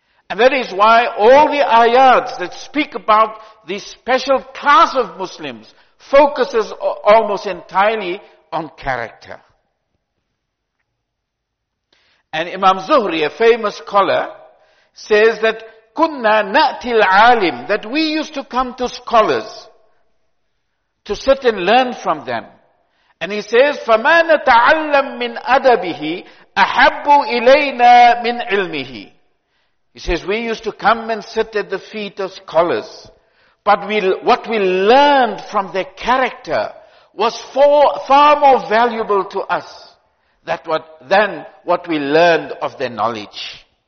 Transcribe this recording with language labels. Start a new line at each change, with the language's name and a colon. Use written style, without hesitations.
English: And that is why all the ayats that speak about this special class of Muslims focuses almost entirely on character. And Imam Zuhri, a famous scholar, says that
Arabic: kunna na'ti al-alim,
English: that we used to come to scholars to sit and learn from them. And he says,
Arabic: فَمَا نَتَعَلَّمْ مِنْ أَدَبِهِ أَحَبُّ إِلَيْنَا مِنْ عِلْمِهِ.
English: He says, we used to come and sit at the feet of scholars, but what we learned from their character was far more valuable to us than what we learned of their knowledge.